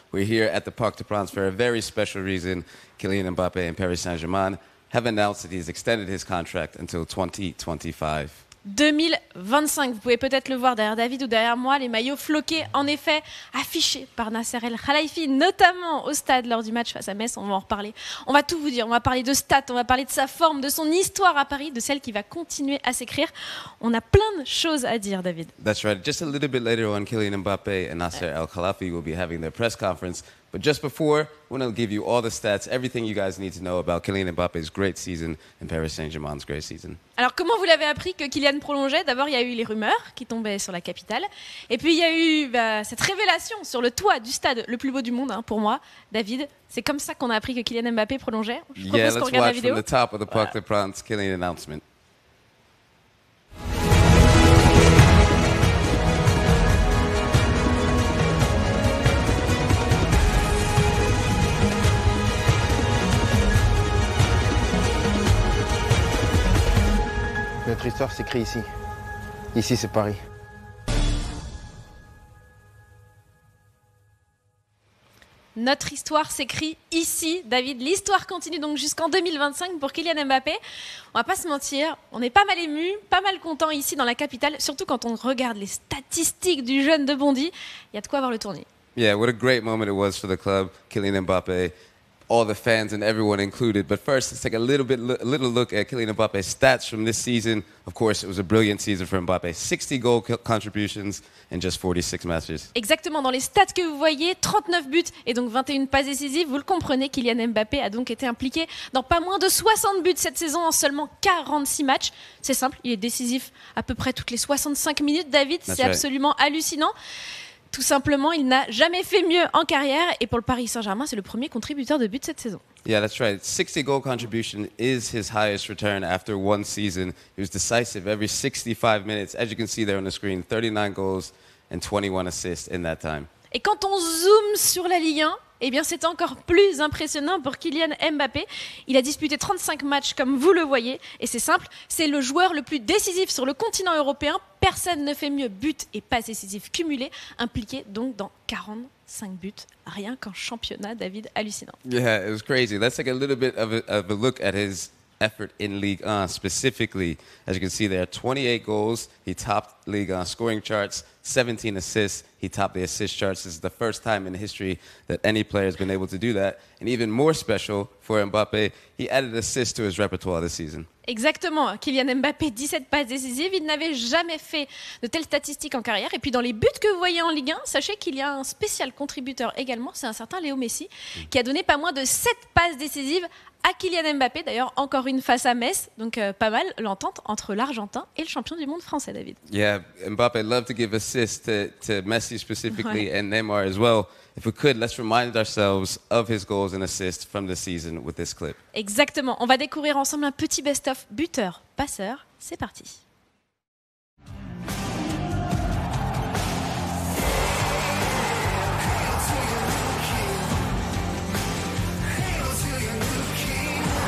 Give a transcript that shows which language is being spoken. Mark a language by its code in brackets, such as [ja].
[en] We're here at the Parc des Princes for a very special reason. Kylian Mbappé and Paris Saint-Germain have announced that he's extended his contract until 2025. [fr] 2025, vous pouvez peut-être le voir derrière David ou derrière moi, les maillots floqués, en effet, affichés par Nasser El Khelaifi, notamment au stade lors du match face à Metz, on va en reparler. On va tout vous dire, on va parler de stats, on va parler de sa forme, de son histoire à Paris, de celle qui va continuer à s'écrire. On a plein de choses à dire, David. [en] That's right, just a little bit later on, Kylian Mbappé and Nasser El Khelaifi will be having their press conference. But just before, we're going to give you all the stats, everything you guys need to know about Kylian Mbappé's great season and Paris Saint-Germain's great season. [fr] Alors, comment vous l'avez appris que Kylian prolongeait? D'abord, il y a eu les rumeurs qui tombaient sur la capitale. Et puis, il y a eu cette révélation sur le toit du stade le plus beau du monde, hein, pour moi, David. C'est comme ça qu'on a appris que Kylian Mbappé prolongeait. Je propose qu'on regarde la vidéo. [en] Yeah, let's watch from the top of the Parc des Princes, Kylian announcement. [fr] Notre histoire s'écrit ici. Ici, c'est Paris. Notre histoire s'écrit ici, David. L'histoire continue donc jusqu'en 2025 pour Kylian Mbappé. On va pas se mentir, on est pas mal ému, pas mal content ici dans la capitale, surtout quand on regarde les statistiques du jeune de Bondy. Il y a de quoi avoir le tournis. [en] Yeah, what a great moment it was for the club, Kylian Mbappé. All the fans and everyone included. But first, let's take a little look at Kylian Mbappé's stats from this season. Of course, it was a brilliant season for Mbappé. 60 goal contributions in just 46 matches. [fr] Exactement, dans les stats que vous voyez, 39 buts et donc 21 passes décisives. Vous le comprenez, Kylian Mbappé a donc été impliqué dans pas moins de 60 buts cette saison en seulement 46 matchs. C'est simple, il est décisif à peu près toutes les 65 minutes, David. [en] That's [fr] c'est [en] right. [fr] Absolument hallucinant. Tout simplement, il n'a jamais fait mieux en carrière et pour le Paris Saint-Germain, c'est le premier contributeur de but cette saison. [en] Yeah, that's right. 60 goal contribution is his highest return after one season. He was decisive every 65 minutes. As you can see there on the screen, 39 goals and 21 assists in that time. [fr] Et quand on zoome sur la Ligue 1, eh bien c'est encore plus impressionnant pour Kylian Mbappé. Il a disputé 35 matchs comme vous le voyez et c'est simple, c'est le joueur le plus décisif sur le continent européen. Personne ne fait mieux but et passe décisif cumulé, impliqué donc dans 45 buts, rien qu'en championnat, David, hallucinant. [en] Yeah, it was crazy. Let's take a little bit of a look at his effort in Ligue 1 specifically. As you can see there, 28 goals, he topped Ligue 1 scoring charts, 17 assists, he topped the assist charts. This is the first time in history that any player has been able to do that. And even more special for Mbappé, he added assists to his repertoire this season. [fr] Exactement, Kylian Mbappé, 17 passes décisives, il n'avait jamais fait de telles statistiques en carrière. Et puis dans les buts que vous voyez en Ligue 1, sachez qu'il y a un spécial contributeur également, c'est un certain Léo Messi, qui a donné pas moins de 7 passes décisives à Kylian Mbappé, d'ailleurs encore une face à Metz, donc pas mal l'entente entre l'Argentin et le champion du monde français, David. [en] Yeah, Mbappé loved to give assists to Messi specifically, ouais. And Neymar as well. If we could, let's remind ourselves of his goals and assists from the season with this clip. [fr] Exactement, on va découvrir ensemble un petit best-of buteur-passeur, c'est parti. [en] Hail to your new king.